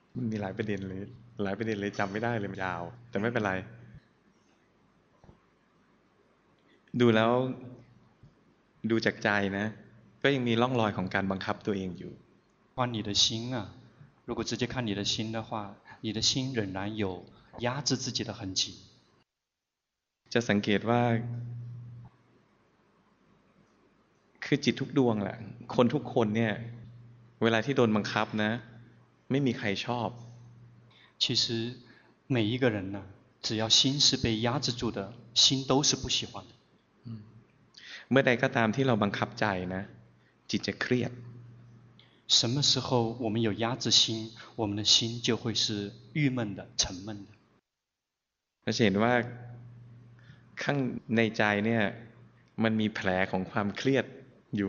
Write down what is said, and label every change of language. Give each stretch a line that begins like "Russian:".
Thai: มีหลายประเด็นเลยหลายประเด็นเลยจำไม่ได้เลยยาวแต่ไม่เป็นไรดูแล้วดูจากใจนะก็ยังมีร่องรอยของการบังคับตัวเองอยู่
Chinese: 看你的心啊，如果直接看你的心的话，你的心仍然有压制自己的痕迹。
Thai: จะสังเกตว่าคือจิตทุกดวงแหละคนทุกคนเนี่ยเวลาที่โดนบังคับนะไม่มีใครชอบ
Chinese: 其实每一个人呢只要心是被压制住的心都是不喜欢的
Thai: เมื่อใดก็ตามที่เราบังคับใจนะจิตจะเครียด
Chinese: 什么时候我们有压制心我们的心就会是郁闷的沉闷的
Thai: เราจะเห็นว่าข้างในใจเนี่ยมันมีแผลของความเครียดอยู